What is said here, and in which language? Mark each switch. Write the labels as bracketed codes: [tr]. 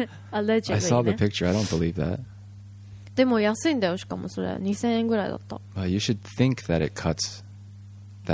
[en] I saw the picture, I don't believe that. [ja] でも安いんだよ、しかもそれ2000円ぐらいだった。 [en] But you should think that it cuts that